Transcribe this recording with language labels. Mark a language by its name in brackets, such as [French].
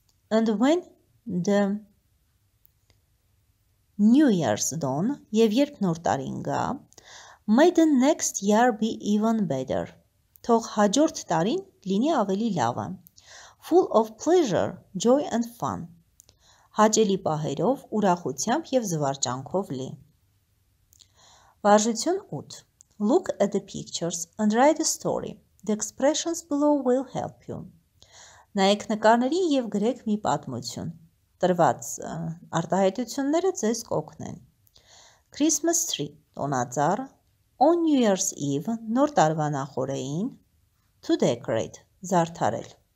[English] And when the New Year's Dawn, [Armenian] և երբ նոր տարին գա, [English] may the next year be even better. [Armenian] Թող հաջորդ տարին լինի ավելի լավը. [English] Full of pleasure, joy and fun. [Armenian] Հաճելի պահերով, ուրախությամբ և զվարճանքով լի. Վարժություն 8. [English] Look at the pictures and write a story. The expressions below will help you. [Armenian] Նայեք նկարներին և գրեք մի պատմություն. Տրված արտահայտությունները ձեզ կօգնեն. [English] Christmas tree, տոնածառ. On New Year's Eve, [Armenian] նոր տարվա նախօրեին. [English] To decorate, զարդարել.